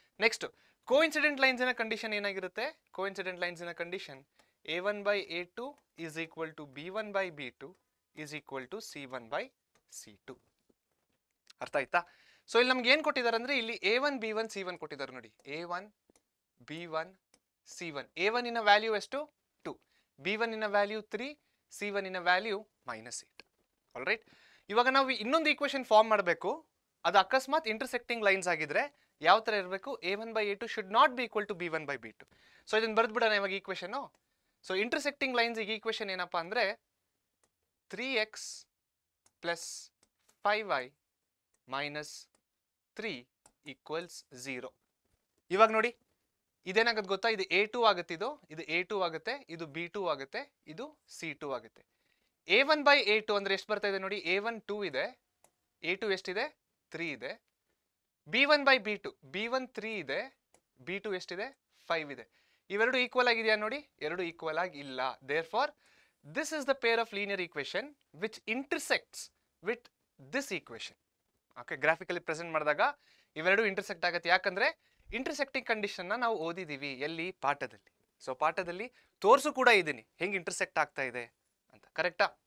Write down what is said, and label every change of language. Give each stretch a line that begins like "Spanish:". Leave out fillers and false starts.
Kannada: Next coincident ಲೈನ್ಸಿನ condition ಏನಾಗಿರುತ್ತೆ? Coincident ಲೈನ್ಸಿನ condition
English: A1/A2 is equal to B1/B2 is equal to C1/C2.
Kannada: ಅರ್ಥ ಆಯ್ತಾ? So ಇಲ್ಲಿ ನಮ್ಗೆ ಏನು ಕೊಟ್ಟಿದ್ದಾರೆ ಅಂದರೆ ಇಲ್ಲಿ A1 B1 C1 ಕೊಟ್ಟಿದ್ದಾರೆ ನೋಡಿ. A1 B1 C1, A1 value ಎಷ್ಟು? 2. B1 value 3. C1 value -8.
English: all right,
Kannada: ಇವಾಗ ನಾವು ಇನ್ನೊಂದು ಈಕ್ವೇಷನ್ ಫಾರ್ಮ್ ಮಾಡಬೇಕು. ಅದು ಅಕಸ್ಮಾತ್ ಇಂಟರ್ಸೆಕ್ಟಿಂಗ್ ಲೈನ್ಸ್ ಆಗಿದ್ರೆ ಯಾವ ಥರ ಇರಬೇಕು?
English: A1/A2 should not be equal to B1/B2.
Kannada: So ಇದನ್ನು ಬರೆದು ಬಿಡೋಣ ಇವಾಗ ಈಕ್ವೇಷನ್ನು. ಸೊ ಇಂಟರ್ಸೆಕ್ಟಿಂಗ್ ಲೈನ್ಸ್ಗೆ ಈಕ್ವೇಷನ್ ಏನಪ್ಪ ಅಂದರೆ 3x + 5y - 3 = 0. ಇವಾಗ ನೋಡಿ ಇದೇನಾಗತ್ತೆ ಗೊತ್ತಾ? ಇದು A2 ಆಗುತ್ತೆ, ಇದು A2 ಆಗುತ್ತೆ, ಇದು B2 ಆಗುತ್ತೆ, ಇದು C2 ಆಗುತ್ತೆ. A1/A2 ಅಂದರೆ ಎಷ್ಟು ಬರ್ತಾ ಇದೆ ನೋಡಿ, A1 2 ಇದೆ, A2 ಎಷ್ಟಿದೆ? 3 ಇದೆ. B1/B2 B1 3 ಇದೆ, B2 ಎಷ್ಟಿದೆ? 5 ಇದೆ. ಇವೆರಡು ಈಕ್ವಲ್ ಆಗಿದೆಯಾ ನೋಡಿ? ಎರಡು ಈಕ್ವಲ್ ಆಗಿ ಇಲ್ಲ.
English: Therefore this is the pair of linear equation which intersects with this equation.
Kannada: Okay, graphically present ಮಾಡಿದಾಗ ಇವೆರಡು ಇಂಟರ್ಸೆಕ್ಟ್ ಆಗುತ್ತೆ. ಯಾಕಂದ್ರೆ ಇಂಟರ್ಸೆಕ್ಟಿಂಗ್ ಕಂಡೀಷನ್ನ ನಾವು ಓದಿದ್ದೀವಿ ಎಲ್ಲಿ? ಪಾಠದಲ್ಲಿ. ಸೊ ಪಾಠದಲ್ಲಿ ತೋರಿಸು ಕೂಡ ಇದ್ದೀನಿ ಹೆಂಗೆ ಇಂಟರ್ಸೆಕ್ಟ್ ಆಗ್ತಾ ಇದೆ ಅಂತ. ಕರೆಕ್ಟಾ?